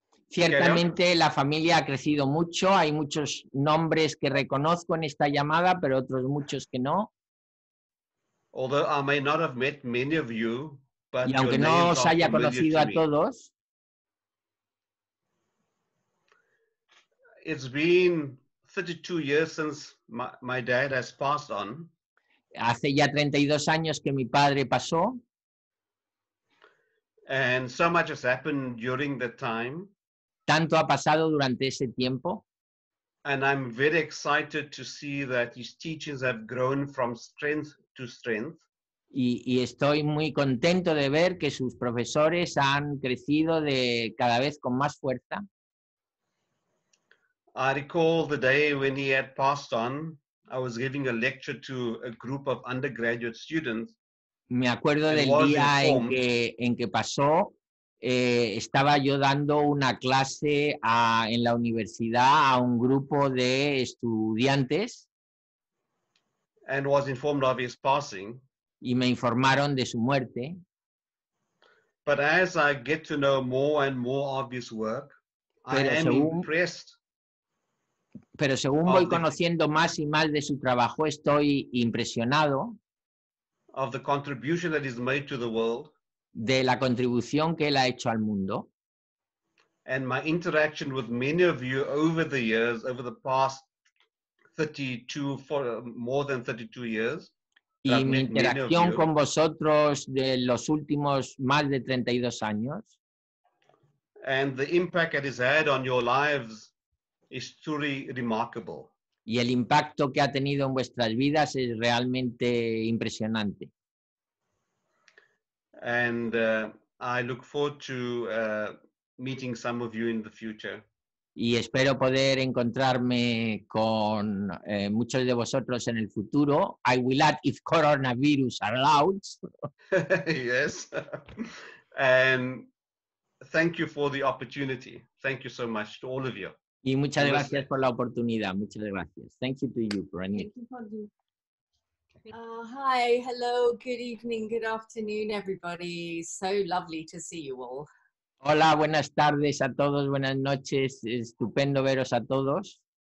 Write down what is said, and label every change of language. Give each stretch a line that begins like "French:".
Spanish: Ciertamente la familia ha crecido mucho. Hay muchos nombres que reconozco en esta llamada, pero otros muchos que no.
English: Although I may not have met many of you, but
Spanish: y aunque no os haya conocido a todos,
English: it's been 32 years since my dad has passed on.
Spanish: Hace ya 32 años que mi padre pasó.
English: And so much has happened during the time.
Spanish: Tanto ha pasado durante ese tiempo.
English: And I'm very excited to see that his teachings have grown from strength to strength.
Spanish: Y estoy muy contento de ver que sus profesores han crecido de cada vez con más fuerza.
English: I recall the day when he had passed on, I was giving a lecture to a group of undergraduate students.
Spanish: Me acuerdo del día en que pasó, estaba yo dando una clase en la universidad a un grupo de estudiantes.
English: And was informed of his passing.
Spanish: Y me informaron de su muerte.
English: But as I get to know more and more of his work, I am impressed.
Spanish: Pero según voy conociendo más y más de su trabajo, estoy impresionado.
English: Of the contribution that he's made to the world.
Spanish: De la contribución que él ha hecho al mundo.
English: And my interaction with many of you over the years, over the past 32, for more than 32 years.
Spanish: Y mi interacción con vosotros de los últimos más de 32 años.
English: And the impact that he's had on your lives is truly remarkable.
Spanish: Y el impacto que ha tenido en vuestras vidas es realmente impresionante.
English: And I look forward to meeting some of you in the future.
Spanish: Y espero poder encontrarme con muchos de vosotros en el futuro.
English: I will add if coronavirus allows. Yes. And thank you for the opportunity. Thank you so much to all of you.
Spanish: Y muchas gracias por la oportunidad. Muchas gracias.
English: Thank you to you, Brani. Hi, hello, good evening, good afternoon, everybody. So lovely to see you all.
Spanish: Hola, buenas tardes a todos, buenas noches. Estupendo veros a todos.